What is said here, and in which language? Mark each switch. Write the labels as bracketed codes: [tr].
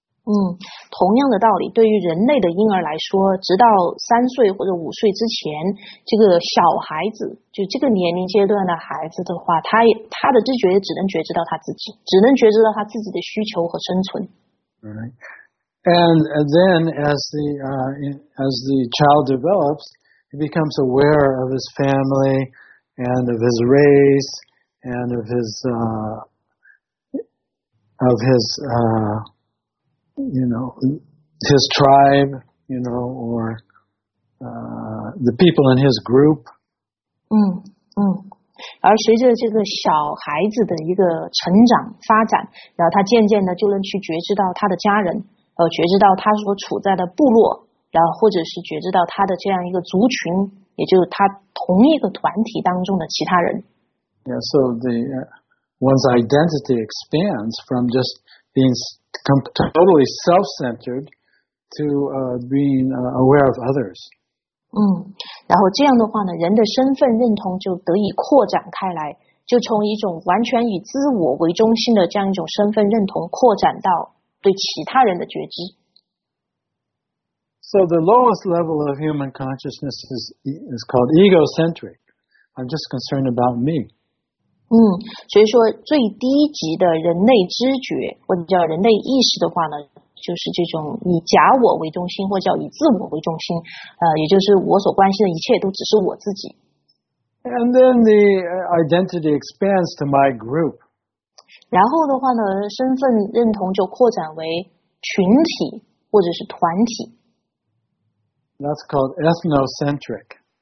[zh] 同样的道理，对于人类的婴儿来说，直到3岁或者5岁之前，这个小孩子，就这个年龄阶段的孩子的话，他的知觉只能觉知到他自己，只能觉知到他自己的需求和生存。 [en] Right. And then as the child develops, he becomes aware of his family and of his race and of his tribe, you know, or the people in his group. [zh] 而随着这个小孩子的一个成长发展，然后他渐渐的就能去觉知到他的家人。觉知到他所处在的部落，然后或者是觉知到他的这样一个族群，也就是他同一个团体当中的其他人。 [en] Yeah, so the one's identity expands from just being totally self-centered to being aware of others. [zh] 然后这样的话呢，人的身份认同就得以扩展开来，就从一种完全以自我为中心的这样一种身份认同扩展到。对其他人的觉知。 [en] So the lowest level of human consciousness is called egocentric. I'm just concerned about me. [zh] 所以说最低级的人类知觉或者叫人类意识的话呢，就是这种以假我为中心或者叫以自我为中心，也就是我所关心的一切都只是我自己。 [en] And then the identity expands to my group. [zh] 然后的话呢，身份认同就扩展为群体或者是团体。 [en] That's called ethnocentric.